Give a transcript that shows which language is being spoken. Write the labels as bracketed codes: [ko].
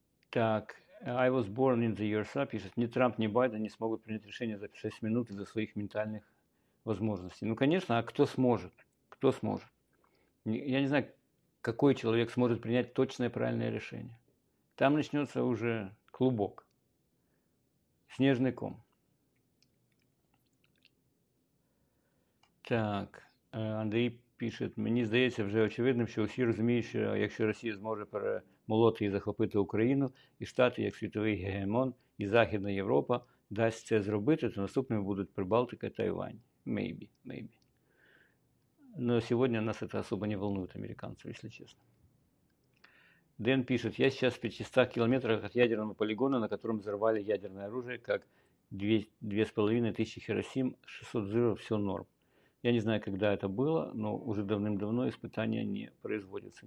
[ru] Так, I was born in the USA, пишет, ни Трамп, ни Байден не смогут принять решение за 6 минут из-за своих ментальных возможностей. Ну, конечно, а кто сможет? Кто сможет? Я не знаю, какой человек сможет принять точное правильное решение. Там начнется уже клубок, снежный ком. Так, Андрей пишет, [uk] мені здається вже очевидним, що усі розуміють, що якщо Росія зможе перемолоти і захопити Україну, і Штати, як світовий гегемон, і Західна Європа дасть це зробити, то наступними будуть Прибалтика і Тайвань. [en] Maybe, maybe. [ru] Но сегодня нас это особо не волнует, американцев, если честно. Дэн пишет, я сейчас в 500 километрах от ядерного полигона, на котором взорвали ядерное оружие, как 2500 Хиросим, 600 взрывов, все норм. Я не знаю, когда это было, но уже давным-давно испытания не производятся.